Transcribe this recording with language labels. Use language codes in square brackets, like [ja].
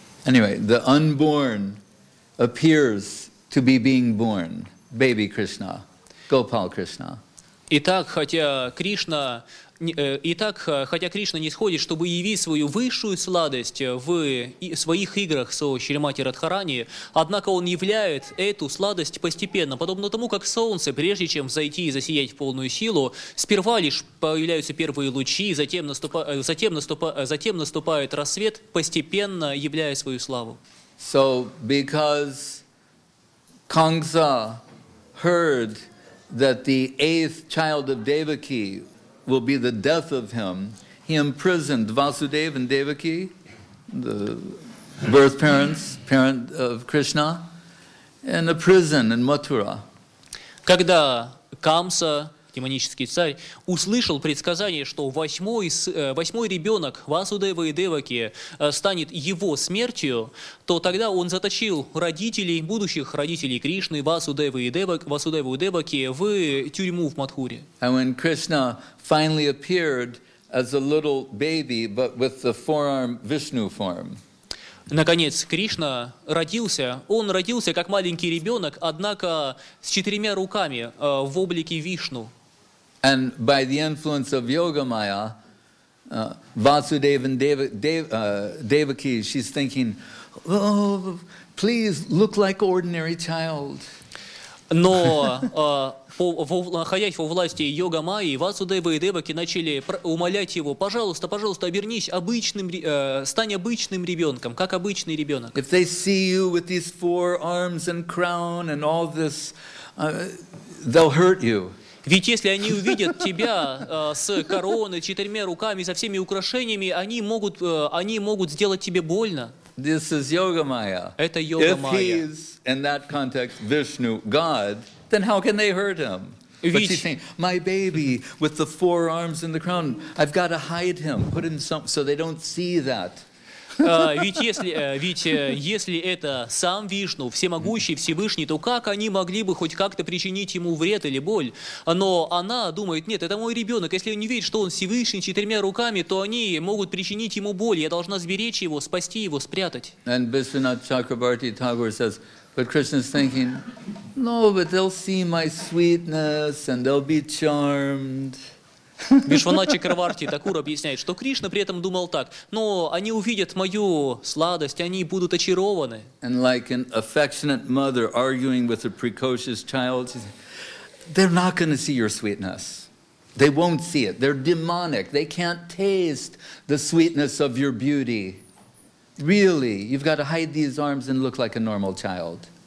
[en] Anyway, the unborn appears to be being born. Baby Krishna, Gopal Krishna. [ru] Итак, хотя Кришна Итак, хотя Кришна нисходит, чтобы явить свою высшую сладость в своих играх со Шримати Радхарани, однако он являет эту сладость постепенно, подобно тому, как солнце, прежде чем взойти и засиять в полную силу, сперва лишь появляются первые лучи, затем наступает рассвет, постепенно являя свою славу. [en] So, because Kamsa heard that the eighth child of Devaki will be the death of him, he imprisoned Vasudeva and Devaki, the birth parents, parent of Krishna, in a prison in Mathura. [ru] Когда Камса, демонический царь, услышал предсказание, что восьмой ребенок Васудева и Деваки станет его смертью, то тогда он заточил родителей, будущих родителей Кришны, Васудеву и Деваки, в тюрьму в Матхуре. [en] And when Krishna finally appeared as a little baby, but with the forearm Vishnu form. [ru] Наконец, Кришна родился. Он родился как маленький ребенок, однако с четырьмя руками в облике Вишну. [en] And by the influence of Yogamaya, Vasudeva and Devaki, she's thinking, oh, please look like ordinary child. [ru] Но находясь во власти Йогамайи, Васудева и Деваки начали умолять его, пожалуйста, пожалуйста, обернись обычным, стань обычным ребенком, как обычный ребенок. [en] If they see you with these four arms and crown and all this, they'll hurt you. [ru] Ведь если они увидят тебя с короной, четырьмя руками, со всеми украшениями, они могут сделать тебе больно. [en] This is Yogamaya. [ru] Это Йогамайя. [en] If he's in that context Vishnu God, then how can they hurt him? But she's saying, my baby with the four arms and the crown, I've got to hide him, put in some, so they don't see that. [ru] Ведь если это сам Вишну, всемогущий, всевышний, то как они могли бы хоть как-то причинить ему вред или боль? Но она думает, нет, это мой ребенок. Если он не верит, что он всевышний четырьмя руками, то они могут причинить ему боль. Я должна сберечь его, спасти его, спрятать. [en] And Biswanath Chakrabarti Thakur says, but Krishna's thinking, no, but they'll see my sweetness and they'll be charmed. [ru] Вишванат Чакраварти Такур объясняет, что Кришна при этом думал так, но они увидят мою сладость, они будут очарованы. [en] And like an affectionate mother arguing with a precocious child, they're not going to see your sweetness. They won't see it. They're demonic. They can't taste the sweetness of your beauty. Really, you've got to hide these arms and look like a normal child.